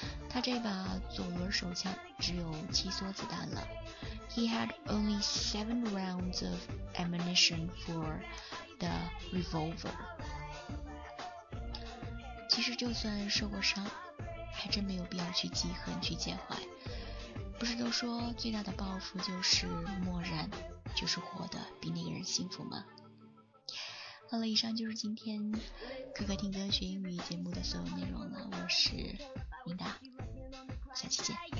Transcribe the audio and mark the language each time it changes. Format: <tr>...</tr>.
<zh>他这把左轮手枪只有七梭子弹了。</zh> <en>He had only 7 rounds of ammunition for the revolver.</en> <zh>其实就算受过伤，还真没有必要去记恨、去介怀。不是都说最大的报复就是漠然，就是活得比那个人幸福吗？好了，以上就是今天可可听歌学英语节目的所有内容了，我是琳达，下期见。</zh>